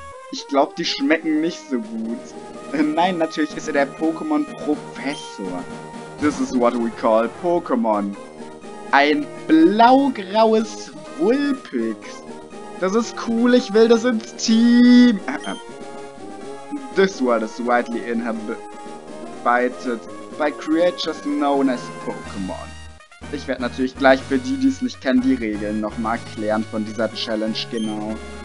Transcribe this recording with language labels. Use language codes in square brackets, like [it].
[de] Ich glaube, die schmecken nicht so gut. Nein, natürlich ist er der Pokémon-Professor. [en] This is what we call Pokémon. [de] Ein blaugraues Vulpix. Das ist cool, ich will das ins Team. [en] This world is widely inhabited by creatures known as Pokémon. [de] Ich werde natürlich gleich für die, die es nicht kennen, die Regeln nochmal erklären von dieser Challenge genau.